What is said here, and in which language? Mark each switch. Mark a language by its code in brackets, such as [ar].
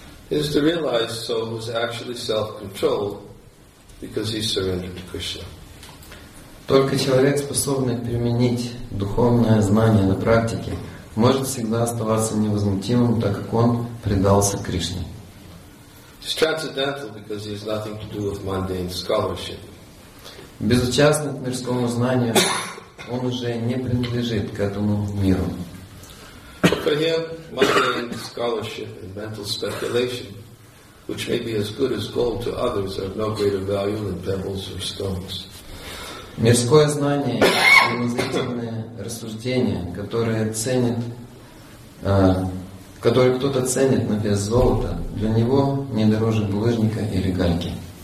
[en] Is to realize so who's actually self-controlled because he's surrendered to Krishna. [ru] Только человек, способный применить духовное знание на практике, может всегда оставаться невозмутимым, так как он предался Кришне. [en] He's transcendental because he has nothing to do with mundane scholarship. [ru] Безучастный к мирскому знанию, он уже не принадлежит к этому миру. [en] For him, mundane scholarship and mental speculation, which may be as good as gold to others, are of no greater value than pebbles or stones. [ru] Мирское знание и умозрительные рассуждения, которые кто-то ценит на вес золота, для него не дороже булыжника или гальки.